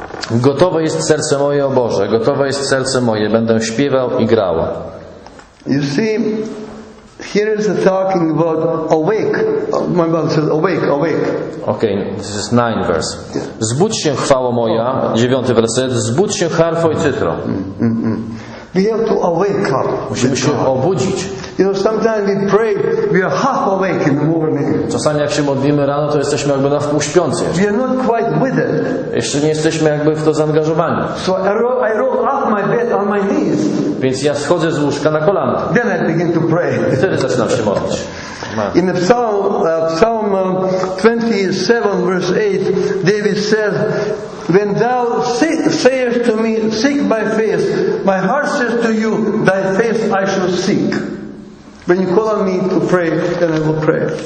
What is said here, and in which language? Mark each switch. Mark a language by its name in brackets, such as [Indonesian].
[Polish] Gotowe jest serce moje, o Boże, gotowe jest serce moje, będę śpiewał i grał. [English] You see, here is talking about awake. My Bible says awake, awake. Okay, this is 9 verse. Yeah. [Polish] Zbudź się, chwało moja, 9 werset. Zbudź się, harfo i cytro. [English] We have to awake up. [Polish] Musimy się obudzić. [English] You know, sometimes we pray, we are half awake in the morning. [Polish] Czasami jak się modlimy rano, to jesteśmy jakby na wpół śpiący. [English] We are not quite with it. [Polish] Jeszcze nie jesteśmy jakby w to zaangażowani. [English] So I roll off my bed on my knees. [Polish] Więc ja schodzę z łóżka na kolana. [English] Then I begin to pray. [Polish] Wtedy zaczynam się modlić. [English] In the Psalm 27, verse 8, David says, when thou sayest to me, seek my face. My heart says to you, thy face I shall seek. When you call on me to pray, then I will pray.